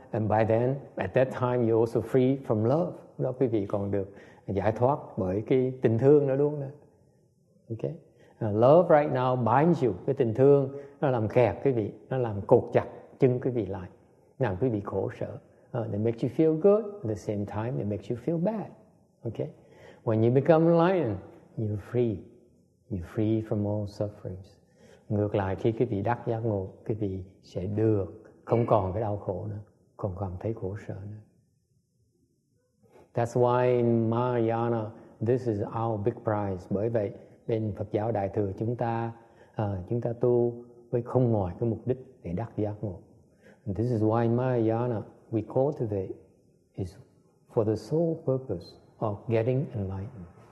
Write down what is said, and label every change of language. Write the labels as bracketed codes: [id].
[en] And by then, at that time, you're also free from love. [vi] Đó quý vị còn được giải thoát bởi cái tình thương đó luôn. Đó. Okay. [en] Love right now binds you. [vi] Cái tình thương nó làm kẹt quý vị. Nó làm cột chặt chân quý vị lại. Làm quý vị khổ sở. [en] It makes you feel good. At the same time, it makes you feel bad. Okay. When you become enlightened, you're free. You're free from all sufferings. [vi] Ngược lại, khi quý vị đắc giác ngộ, quý vị sẽ được không còn cái đau khổ nữa. Còn cảm thấy khổ sở nữa. [en] That's why in Mahayana, this is our big prize. [vi] Bởi vậy, bên Phật giáo Đại Thừa chúng ta tu với không ngoài cái mục đích để đắc giác ngộ. [en] And this is why in Mahayana, we cultivate is for the sole purpose of getting enlightened.